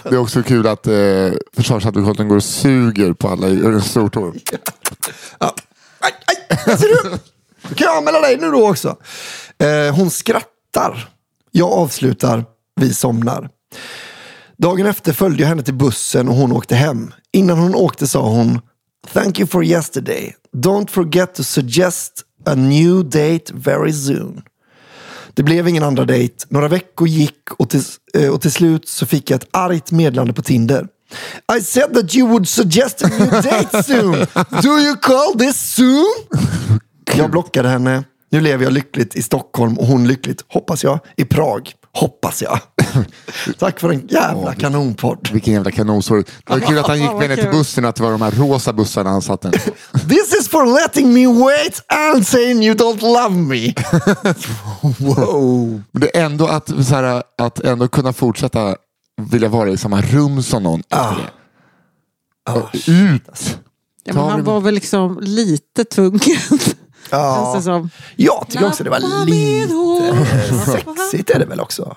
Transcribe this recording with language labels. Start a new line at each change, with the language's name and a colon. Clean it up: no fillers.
Swedish: Det är också kul att försvarsadvokaten går och suger på alla ur en stor tå. Ja. Aj, aj, ser du? Kan jag anmäla dig nu då också? Hon skrattar. Jag avslutar. Vi somnar. Dagen efter följde jag henne till bussen och hon åkte hem. Innan hon åkte sa hon,
English: thank you for yesterday. Don't forget to suggest A new date very soon.
Swedish: Det blev ingen andra date. Några veckor gick och till slut så fick jag ett argt meddelande på Tinder.
English: I said that you would suggest a new date soon. Do you call this soon?
Swedish: Jag blockade henne. Nu lever jag lyckligt i Stockholm och hon lyckligt, hoppas jag, i Prag. Hoppas jag. Tack för en jävla kanonpodd. Vilken jävla kanonsorg. Det var kul att han gick med ner till bussen, att det var de här rosa bussarna han satt den.
English: This is for letting me wait and saying you don't love me. Wow.
Swedish: Det är ändå att, så här, att ändå kunna fortsätta vilja vara i samma rum som någon. Ut. Ja, men han var väl liksom lite tvungen. Ja, tycker också det var lite sexigt är det väl också.